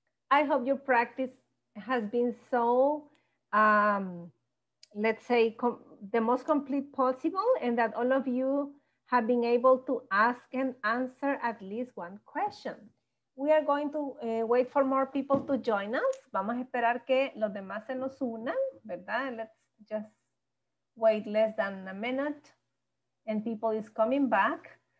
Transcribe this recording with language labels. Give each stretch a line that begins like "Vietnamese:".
English: I hope your practice has been so, let's say, the most complete possible, and that all of you have been able to ask and answer at least one question. We are going to wait for more people to join us.
Spanish: Vamos a esperar que los demás se nos unan, ¿verdad?
English: Let's just wait less than a minute and people is coming back.